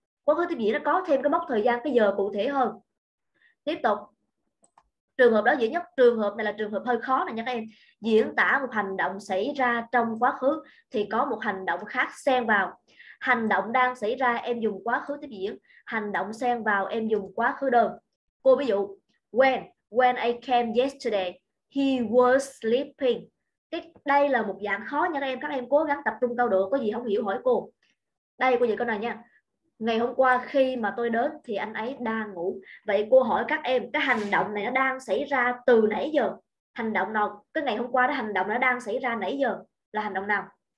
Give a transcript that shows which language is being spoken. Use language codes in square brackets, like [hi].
[vi] Quá khứ tiếp diễn nó có thêm cái mốc thời gian, cái giờ cụ thể hơn. Tiếp tục. Trường hợp đó dễ nhất, trường hợp này là trường hợp hơi khó này nha các em. Diễn tả một hành động xảy ra trong quá khứ thì có một hành động khác xen vào. Hành động đang xảy ra em dùng quá khứ tiếp diễn, hành động xen vào em dùng quá khứ đơn. Cô ví dụ, [en] when I came yesterday, he was sleeping. [vi] Đây là một dạng khó nha các em cố gắng tập trung câu được, có gì không hiểu hỏi cô. Đây cô dạy câu này nha. Ngày hôm qua khi mà tôi đến thì anh ấy đang ngủ. Vậy cô hỏi các em, cái hành động này nó đang xảy ra từ nãy giờ? Hành động nào? Cái ngày hôm qua đó hành động nó đang xảy ra nãy giờ là hành động nào?